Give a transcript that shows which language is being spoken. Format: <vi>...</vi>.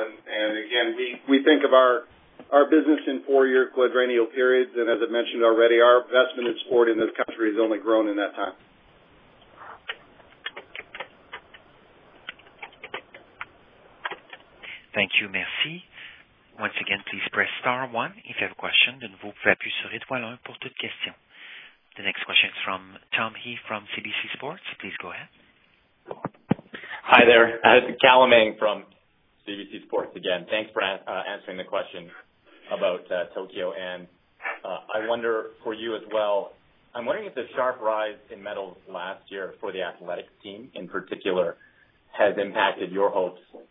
<en>And again, we think of our business in four-year quadrennial periods, and as I mentioned already, our investment in sport in this country has only grown in that time. Thank you,</en> <fr>merci.</fr> <en>Once again, please press star 1 if you have a question.</en> <fr>De nouveau, vous pouvez appuyer sur étoile 1 pour toute question.</fr> <en>The next question is from Tom He from CBC Sports. Please go ahead. Hi there. Callum Ng from CBC Sports again. Thanks for answering the question about Tokyo. And I wonder for you as well, I'm wondering if the sharp rise in medals last year for the athletics team in particular has impacted your hopes.</en>